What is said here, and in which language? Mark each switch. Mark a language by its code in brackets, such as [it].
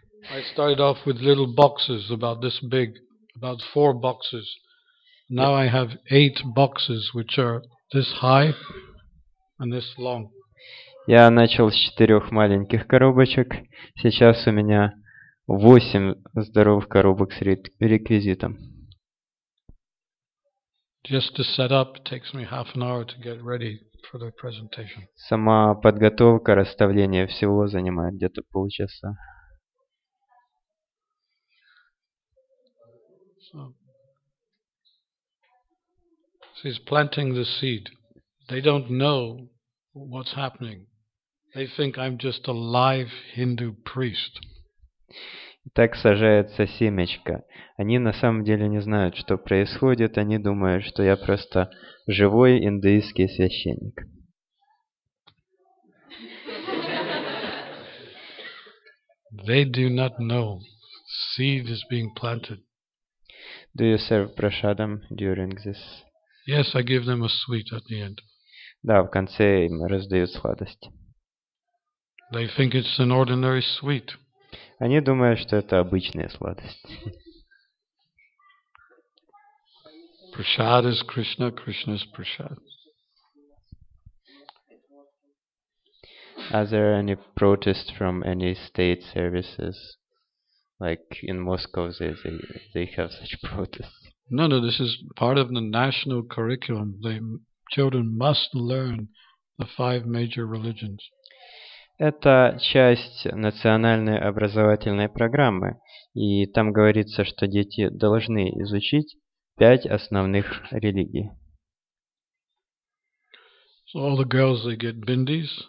[en] I started off with little boxes about this big, about 4 boxes. Now I have 8 boxes which are this high and this long. [ru] Я начал с 4 маленьких коробочек. Сейчас у меня 8 здоровых коробок с реквизитом. [en] Just to set up takes me half an hour to get ready for the presentation. [ru] Сама подготовка, расставление всего занимает где-то полчаса. [en] So, he's planting the seed. They don't know what's happening. They think I'm just a live Hindu priest. [ru] Так сажается семечко. Они на самом деле не знают, что происходит. Они думают, что я просто живой индуистский священник. [en] They do not know. Seed is being planted. Do you serve prasadam during this? Yes, I give them a sweet at the end. [ru] Да, в конце им раздают сладость. [en] They think it's an ordinary sweet. [ru] Они думают, что это обычная сладость. [en] Prashad is Krishna, Krishna is Prashad. Are there any protests from any state services? Like in Moscow, they have such protests. No, this is part of the national curriculum. The children must learn the 5 major religions. [ru] Это часть национальной образовательной программы, и там говорится, что дети должны изучить 5 основных религий. [en] So all the girls, they get bindis.